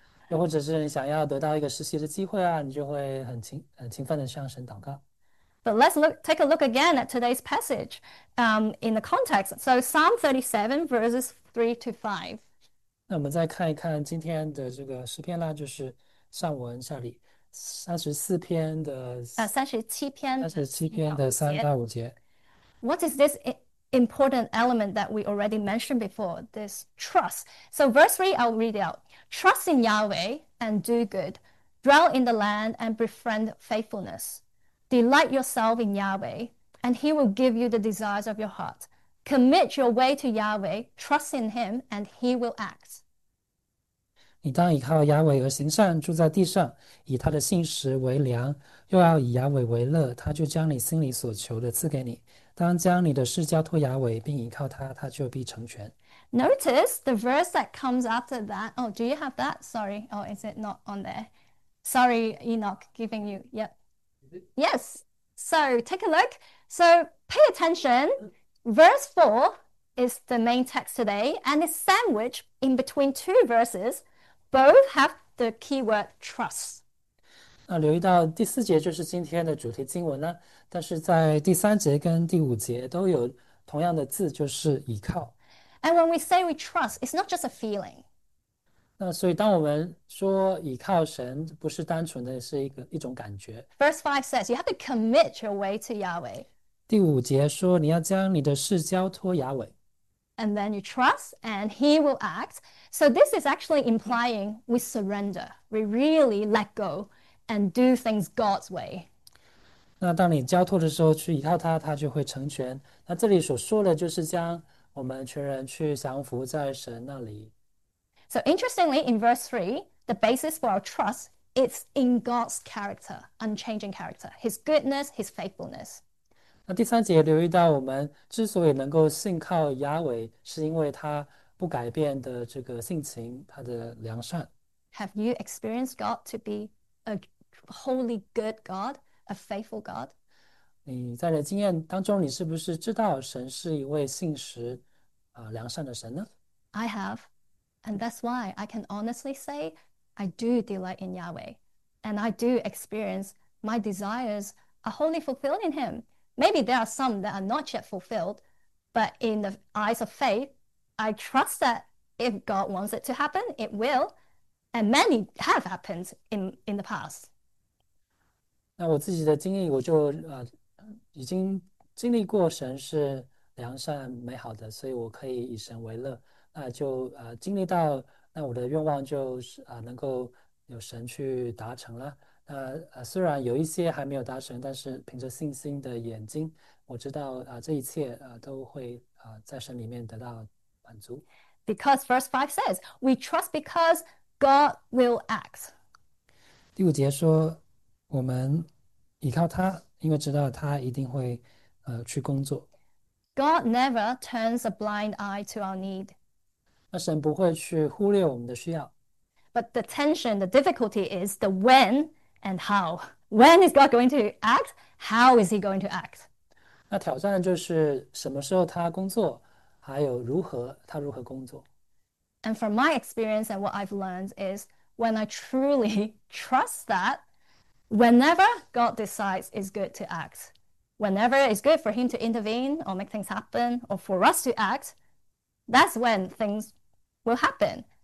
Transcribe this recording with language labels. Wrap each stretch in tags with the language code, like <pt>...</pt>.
<zh>又或者是你想要得到一个实习的机会啊，你就会很勤奋的向神祷告。</zh> <en>But let's take a look again at today's passage, in the context. So Psalm 37, verses 3 to 5.</en> <zh>那我们再看一看今天的这个诗篇啦，就是上文下理34篇的 37篇三十七篇到的五三节。到五节。</zh> <en>What is this important element that we already mentioned before? This trust. So verse 3, I'll read out. Trust in Yahweh and do good. Dwell in the land and befriend faithfulness. Delight yourself in Yahweh, and He will give you the desires of your heart. Commit your way to Yahweh, trust in Him, and He will act.</en> <zh>你当依靠亚伟而行善，住在地上，以他的信实为粮，又要以亚伟为乐，他就将你心里所求的赐给你。当将你的事交托亚伟，并依靠他，他就必成全。</zh> <en>Notice the verse that comes after that. Oh, do you have that? Sorry. Oh, is it not on there? Sorry, Enoch, giving you. Yep. Yes, so take a look. So pay attention. Verse 4 is the main text today and is sandwiched in between two verses. Both have the keyword trust.</en> <zh>那留意到第四节就是今天的主题经文呢，但是在第三节跟第五节都有同样的字，就是依靠。</zh> <en>And when we say we trust, it's not just a feeling.</en> <zh>那所以当我们说依靠神，不是单纯的是一种感觉。</zh> <en>Verse 5 says, you have to commit your way to Yahweh.</en> <zh>第五节说你要将你的事交托亚伟。</zh> <en>And then you trust and he will act. So this is actually implying we surrender. We really let go and do things God's way.</en> <zh>那当你交托的时候去依靠他，他就会成全。那这里所说的就是将我们全人去降服在神那里。</zh> <en>So interestingly, in verse 3, the basis for our trust it's in God's character, unchanging character, His goodness, His faithfulness.</en> <zh>那第三节留意到，我们之所以能够信靠亚伟，是因为他不改变的这个性情，他的良善。</zh> <en>Have you experienced God to be a holy, good God, a faithful God?</en> <zh>你在你的经验当中，你是不是知道神是一位信实、良善的神呢？</zh> <en>I have, and that's why I can honestly say, I do delight in Yahweh, and I do experience my desires are wholly fulfilled in Him. Maybe there are some that are not yet fulfilled, but in the eyes of faith, I trust that if God wants it to happen, it will, and many have happened in the past.</en> <zh>那我自己的经历，我就已经经历过神是良善美好的，所以我可以以神为乐。那就经历到，那我的愿望就是能够有神去达成了。那虽然有一些还没有达成，但是凭着信心的眼睛，我知道这一切都会在神里面得到满足。</zh> <en>Because verse 5 says, we trust because God will act.</en> <zh>第五节说，我们依靠他，因为知道他一定会去工作。</zh> <en>God never turns a blind eye to our need.</en> <zh>那神不会去忽略我们的需要。</zh> <en>But the tension, the difficulty is the when and how. When is God going to act? How is He going to act?</en> <zh>那挑战就是什么时候他工作，还有他如何工作。</zh> <en>And from my experience and what I've learned is when I truly trust that whenever God decides it's good to act, whenever it's good for Him to intervene or make things happen or for us to act, that's when things will happen.</en>